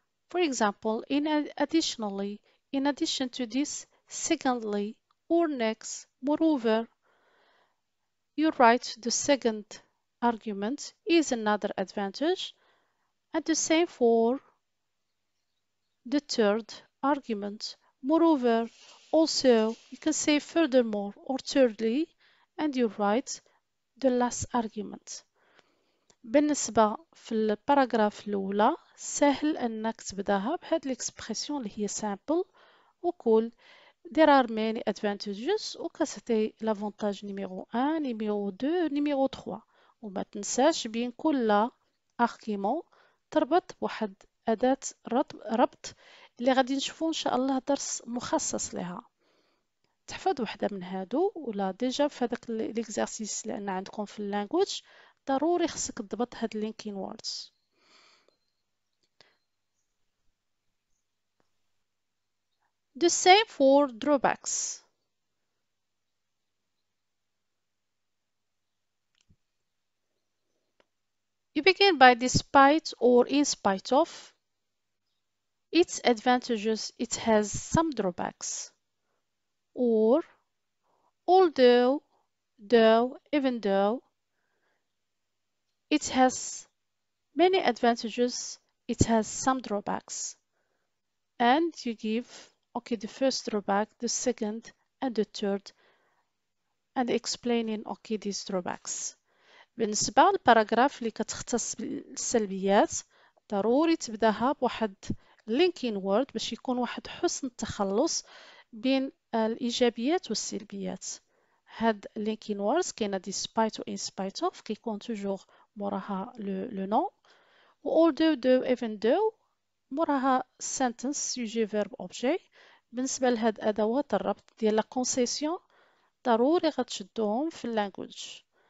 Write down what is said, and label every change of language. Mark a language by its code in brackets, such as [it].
[en] For example, in addition to this, secondly, or next, moreover, you write the second argument is another advantage, and the same for the third argument. Moreover, also, you can say furthermore or thirdly, and you write the last argument. [ar] بالنسبة في الباراغراف الأولى سهل أنك تبدأها بهاد الإكسبرسيون اللي هي simple وكل [en] there are many advantages [ar] وكتعطي لافونتاج نيميرو 1 نيميرو 2 نيميرو 3 وما تنساش بين كل أرغيمون تربط بواحد أداة ربط اللي غادي نشوفو إن شاء الله درس مخصص لها تحفظ واحدة من هادو ولا ديجا في هذاك الاكزرسيس اللي عندنا عندكم في اللانجوج ضروري خصك تضبط هاد اللينكين ووردز [en] The same for drawbacks You begin by despite or in spite of Its advantages, it has some drawbacks. Or, although, though, even though, it has many advantages, it has some drawbacks. And you give, okay, the first drawback, the second, and the third, and explaining, okay, these drawbacks. [ar] بالنسبة للباراغراف اللي كتختص بالسلبيات ضروري تبداها بواحد linking word باش يكون واحد حسن التخلص بين الايجابيات والسلبيات هاد linking words كاين [en] despite or in spite of [ar] كيكون توجور موراها لو نو و [en] although though even though [ar] موراها sentence sujet verb object بالنسبه لهاد ادوات الربط ديال لا كونسيسيون ضروري غتشدوهم في اللانجويج